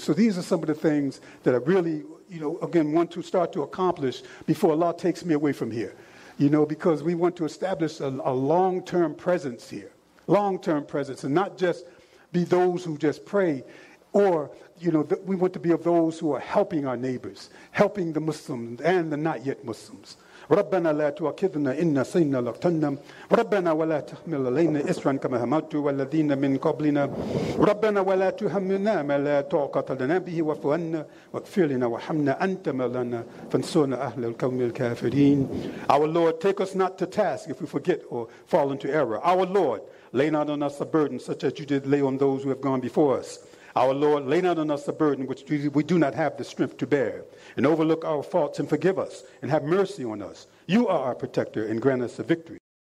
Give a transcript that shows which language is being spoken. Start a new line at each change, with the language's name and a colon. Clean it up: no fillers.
English: So these are some of the things that I really, you know, again, want to start to accomplish before Allah takes me away from here, you know, because we want to establish a long-term presence here, long-term presence, and not just be those who just pray, or, you know, we want to be of those who are helping our neighbors, helping the Muslims and the not yet Muslims.
Arabic: ربنا لا تؤاخذنا إن نسينا أو أخطأنا ربنا ولا تحمل علينا إصرا كما حملت والذين من قبلنا ربنا ولا تهمنا ما لا طاقة لنا به واعف عنا واكف لنا وارحمنا أنت مولانا فانصرنا أهل القوم الكافرين.
English: Our Lord, take us not to task if we forget or fall into error. Our Lord, lay not on us a burden such as you did lay on those who have gone before us. Our Lord, lay not on us a burden which we do not have the strength to bear. And overlook our faults and forgive us and have mercy on us. You are our protector and grant us the victory.